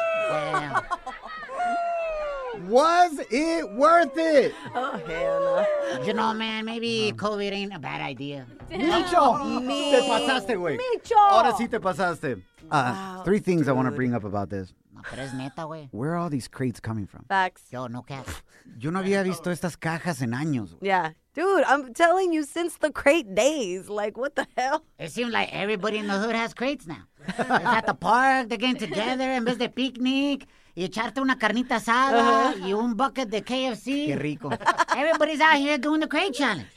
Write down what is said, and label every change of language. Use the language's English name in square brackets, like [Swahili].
[English] Damn. Was it worth it? Oh, hell no. You know, man, maybe COVID ain't a bad idea. [Spanish] Micho! Te pasaste, güey. Micho! Ahora sí te pasaste. [English] Wow, three things dude. I want to bring up about this. [Spanish] No, pero es neta, güey. [English] Where are all these crates coming from? Facts. Yo no cap. [Spanish] Yo no había visto estas cajas en años, güey. [English] Yeah, Dude, I'm telling you, since the crate days, like, what the hell? It seems like everybody in the hood has crates now. It's at the park, they're getting together, and there's the picnic. [Spanish] You echarte una carnita asada, you un bucket de KFC. Qué rico. [English] Everybody's out here doing the crate challenge.